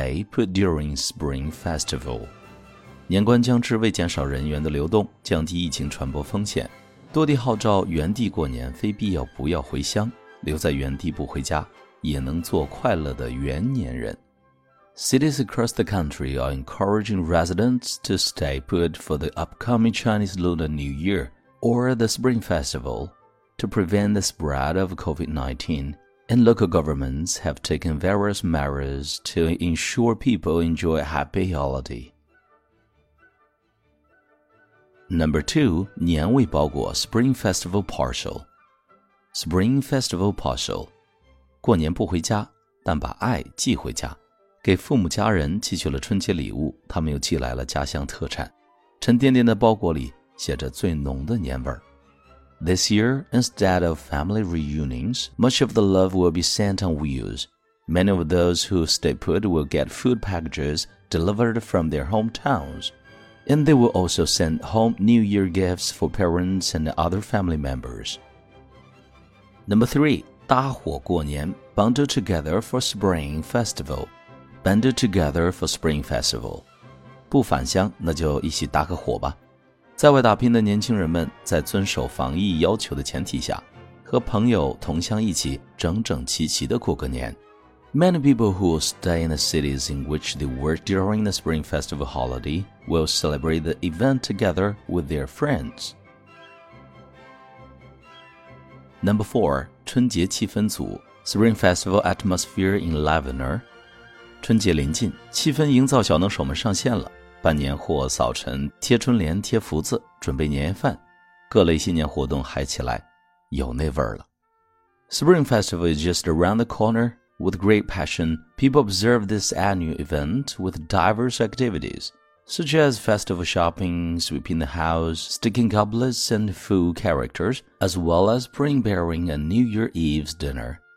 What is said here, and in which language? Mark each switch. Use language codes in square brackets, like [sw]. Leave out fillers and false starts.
[en] People who choose to stay put during spring festival. [zh] 年关将至，为减少人员的流动，降低疫情传播风险，多地号召原地过年，非必要不要回乡，留在原地不回家，也能做快乐的元年人。 [en] Cities across the country are encouraging residents to stay put for the upcoming Chinese Lunar New Year or the Spring Festival to prevent the spread of COVID-19, and local governments have taken various measures to ensure people enjoy a happy holiday. Number 2. 年味包裹 Spring Festival Partial. Spring Festival Partial. [zh] 过年不回家，但把爱寄回家。给父母家人寄去了春节礼物，他们又寄来了家乡特产，沉甸甸的包裹里写着最浓的年味儿。 [en] This year, instead of family reunions, much of the love will be sent on wheels. Many of those who stay put will get food packages delivered from their hometowns, and they will also send home New Year gifts for parents and other family members. Number 3. 搭伙过年 Bundle together for Spring Festival. Bundle together for Spring Festival. [zh] 不返乡，那就一起搭个伙吧。在外打拼的年轻人们，在遵守防疫要求的前提下，和朋友同乡一起整整齐齐地过个年。 [en] Many people who stay in the cities in which they work during the Spring Festival holiday will celebrate the event together with their friends. Number 4. 春节气氛组 Spring Festival Atmosphere Enlivener. [zh] 春节临近，气氛营造小能手们上线了，办年货、扫尘、贴春联、贴福字、准备年夜饭，各类新年活动嗨起来，有那味儿了。 [en] Spring Festival is just around the corner. With great passion, people observe this annual event with diverse activities, such as festival shopping, sweeping the house, sticking goblets and food characters, as well as preparing a New Year Eve's dinner.